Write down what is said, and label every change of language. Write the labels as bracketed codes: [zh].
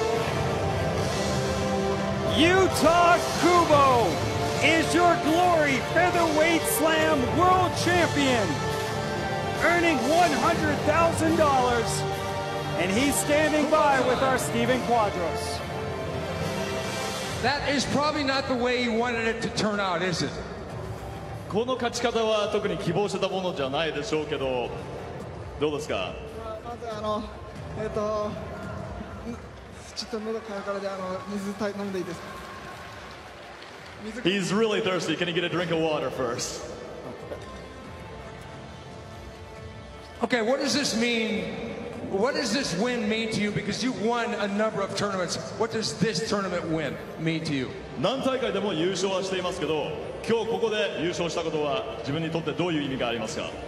[en] Yuta Kubo is your Glory Featherweight Slam World Champion, earning $100,000, and he's standing by with our Steven Quadros. That is probably not the way he wanted it to turn out, is it? [ja] この勝ち方は特に希望してたものじゃないでしょうけど、どうですか？まずちょっと喉からからで水飲んでいいですか？ [en] He's really thirsty. Can he get a drink of water first? Okay, what does this mean? What does this win mean to you? Because you've won a number of tournaments. What does this tournament win mean to you? [ja] 何大会でも優勝はしていますけど、今日ここで優勝したことは自分にとってどういう意味がありますか？